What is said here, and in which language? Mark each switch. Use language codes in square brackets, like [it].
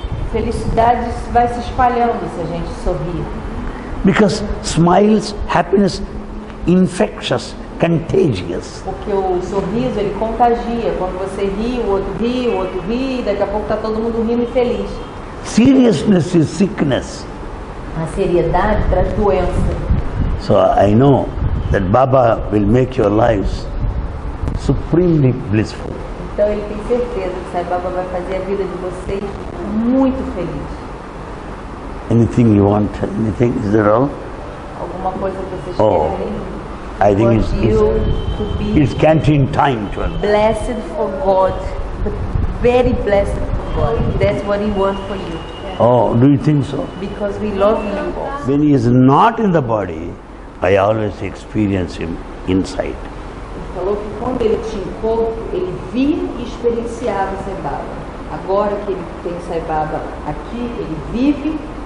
[pt] Felicidade vai se espalhando se a gente sorrir. [en] Because smiles, happiness, infectious, contagious. [pt] Porque o sorriso ele contagia. Quando você ri, o outro ri, daqui a pouco está todo mundo rindo e feliz. [en] Seriousness is sickness. [pt] A seriedade traz doença. [en] So I know that Baba will make your lives supremely blissful. [pt] Então ele tem certeza que Sai Baba vai fazer a vida de vocês muito feliz. [en] Anything you want? Anything? Is that all? [pt] Alguma coisa que vocês querem? [en] I think it's canteen time. Blessed for God, the very blessed for God. That's what He wants for you. Oh, do you think so? Because we love Him. When He is not in the body, I always experience Him inside. [pt] Falou que quando ele tinha corpo, ele vive e experienciava Sai Baba. Agora que ele tem Sai Baba aqui, ele vive.